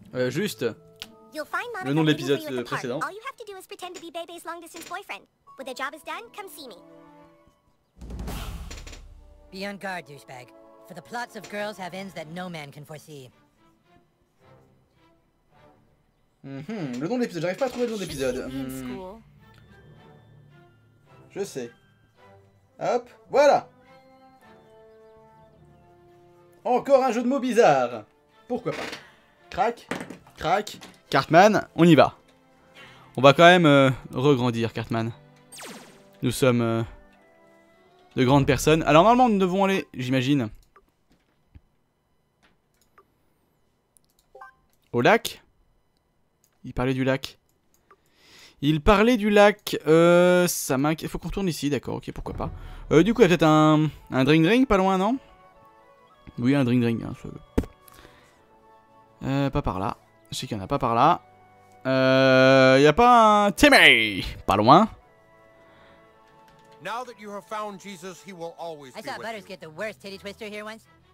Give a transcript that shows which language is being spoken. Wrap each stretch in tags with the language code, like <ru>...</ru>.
<fr>Juste le nom de l'épisode précédent.</fr> <en>All you have to do is pretend to be Bebe's long distance boyfriend. When the job is done, come see me. Be on guard, douchebag. For the plots of girls have ends that no man can foresee. Mm-hmm.</en> <fr>Le nom de l'épisode, j'arrive pas à trouver le nom de l'épisode. Je sais. Hop, voilà. Encore un jeu de mots bizarre. Pourquoi pas. Crac, crac, Cartman, on y va. On va quand même regrandir, Cartman. Nous sommes de grandes personnes. Alors normalement, nous devons aller, j'imagine, au lac. Il parlait du lac. Il parlait du lac, ça m'inquiète. Faut qu'on retourne ici, d'accord, ok, pourquoi pas. Du coup, il y a peut-être un drink-drink pas loin, non? Oui, un drink-drink. Hein, a pas par là. Je sais qu'il y en a pas par là. Y a pas un Timmy pas loin.</fr> <en>Now that you have found Jesus, he will always be with you. I saw Butters get the worst titty twister here once.</en>